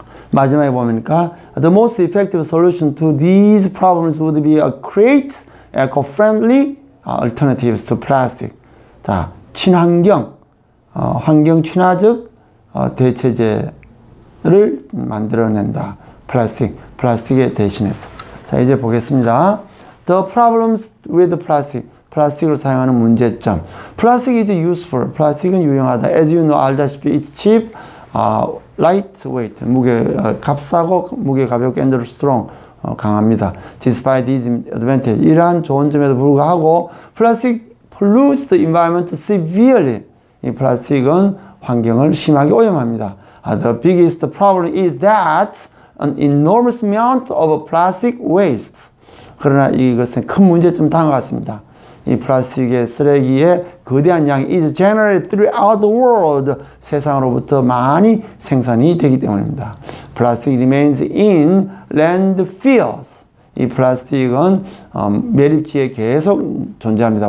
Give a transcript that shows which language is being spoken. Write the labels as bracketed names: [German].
[Korean] 마지막에 보니까 [English] the most effective solution to these problems would be a great eco-friendly alternatives to plastic. [Korean] 자, 친환경, 환경 친화적 대체제를 만들어낸다. 플라스틱에 대신해서. 자, 이제 보겠습니다. [English] The problems with plastic. [Korean] 플라스틱을 사용하는 문제점. [English] Plastic is useful. [Korean] 플라스틱은 유용하다. [English] As you know, [Korean] 알다시피 [English] it's cheap, lightweight. [Korean] 무게 값싸고 무게 가볍고 [English] and strong. [Korean] 강합니다. [English] Despite these advantages, [Korean] 이러한 좋은 점에도 불구하고 [English] plastic pollutes the environment severely. [Korean] 이 플라스틱은 환경을 심하게 오염합니다. [English] The biggest problem is that an enormous amount of plastic waste. [Korean] 그러나 이것은 큰 문제점 다가왔습니다. 이 플라스틱의 쓰레기의 거대한 양이 [English] is generated throughout the world. [Korean] 세상으로부터 많이 생산이 되기 때문입니다. [English] Plastic remains in landfills. [Korean] 이 플라스틱은 매립지에 계속 존재합니다.